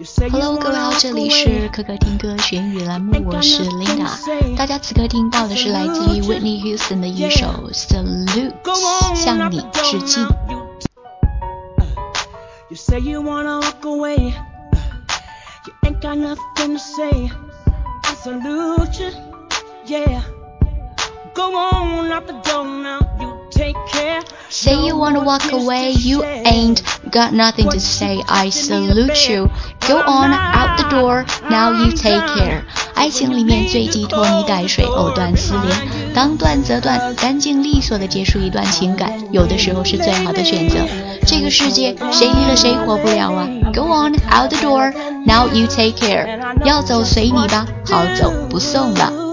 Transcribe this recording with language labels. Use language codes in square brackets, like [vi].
[zh] Hello， 各位好，这里是可可听歌学英语栏目，我是 Linda。大家此刻听到的是来自于 Whitney Houston 的一首 Salute， 向你致敬。 [en] You say you wanna walk away, you ain't got nothing to say. I salute you, yeah. Go on out the door now, you take care. Say you wanna walk away, you ain't got nothing to say. I salute you. Go on out the door now, you take care. [zh] 爱情里面最忌拖泥带水，藕断丝连。当断则断，干净利索的结束一段情感，有的时候是最好的选择。这个世界谁离了谁活不了啊。 [en] Go on out the door now, you take care. [zh] 要走随你吧，好走不送了。